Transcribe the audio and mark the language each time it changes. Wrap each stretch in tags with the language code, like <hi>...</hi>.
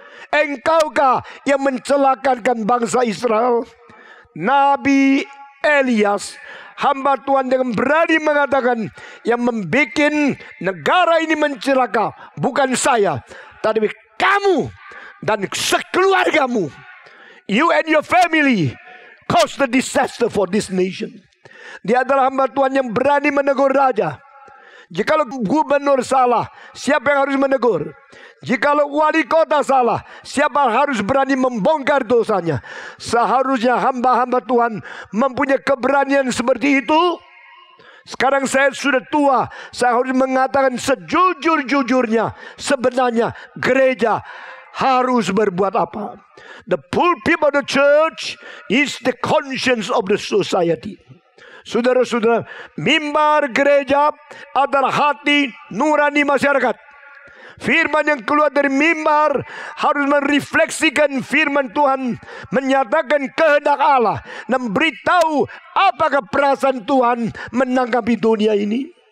<id>Engkaukah yang mencelakakan bangsa Israel? Nabi Elias, hamba Tuhan, dengan berani mengatakan, yang membuat negara ini mencelaka bukan saya, tapi kamu dan sekeluargamu.</id> <en>You and your family caused the disaster for this nation.</en> <id>Dia adalah hamba Tuhan yang berani menegur raja. Jikalau gubernur salah, siapa yang harus menegur? Jikalau wali kota salah, siapa harus berani membongkar dosanya? Seharusnya hamba-hamba Tuhan mempunyai keberanian seperti itu. Sekarang saya sudah tua, saya harus mengatakan sejujur-jujurnya, sebenarnya gereja harus berbuat apa?</id> <en>The pulpit of the church is the conscience of the society.</en> <id>Saudara-saudara, mimbar gereja adalah hati nurani masyarakat. Firman yang keluar dari mimbar harus merefleksikan firman Tuhan, menyatakan kehendak Allah, dan beritahu apakah perasaan Tuhan menanggapi dunia ini.</id>